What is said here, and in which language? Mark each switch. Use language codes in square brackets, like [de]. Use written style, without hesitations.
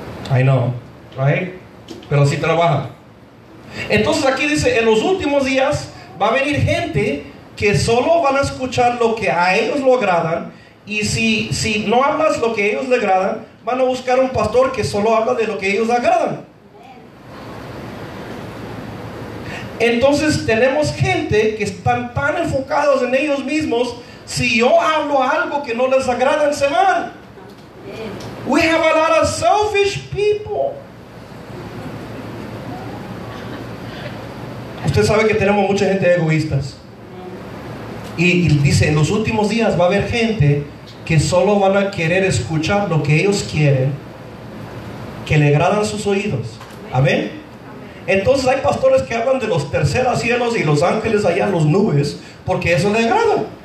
[en] I know. Right? [es] Pero sí trabaja. Entonces aquí dice, en los últimos días va a venir gente que solo van a escuchar lo que a ellos lo agradan, y si no hablas lo que a ellos le agradan, van a buscar un pastor que solo habla de lo que a ellos agradan. Entonces tenemos gente que están tan enfocados en ellos mismos, si yo hablo algo que no les agrada, se van. [en] We have a lot of selfish people. [es] Usted sabe que tenemos mucha gente egoístas. Y dice, en los últimos días va a haber gente que solo van a querer escuchar lo que ellos quieren, que le agradan sus oídos. ¿Amén? Entonces hay pastores que hablan de los terceros cielos y los ángeles allá en las nubes, porque eso le agrada.